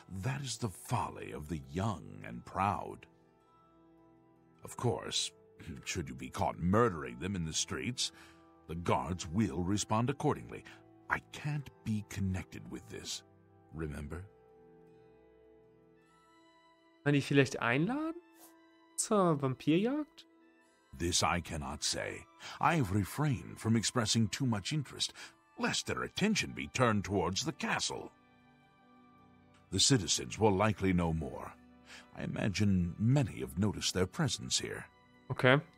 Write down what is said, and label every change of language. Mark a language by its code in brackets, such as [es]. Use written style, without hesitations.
[en] That is the folly of the young and proud. Of course, should you be caught murdering them in the streets, the guards will respond accordingly. I can't be connected with this, remember? [de] Kann ich vielleicht einladen zur Vampirjagd? [en] This I cannot say. I have refrained from expressing too much interest, lest their attention be turned towards the castle. The citizens will likely know more. I imagine many have noticed their presence here. Okay.